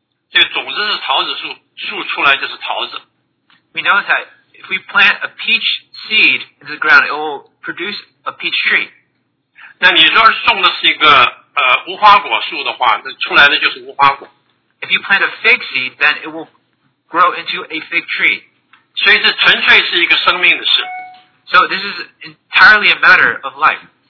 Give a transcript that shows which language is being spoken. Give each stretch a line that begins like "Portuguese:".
Chinese: 这个种子是桃子树，树出来就是桃子。
English: We know that if we plant a peach seed into the ground, it will produce a peach tree.
Chinese: 那你说种的是一个无花果树的话，那出来的就是无花果。
English: If you plant a fig seed, then it will grow into a fig tree.
Chinese: 所以这纯粹是一个生命的事。
English: So this is entirely a matter of life.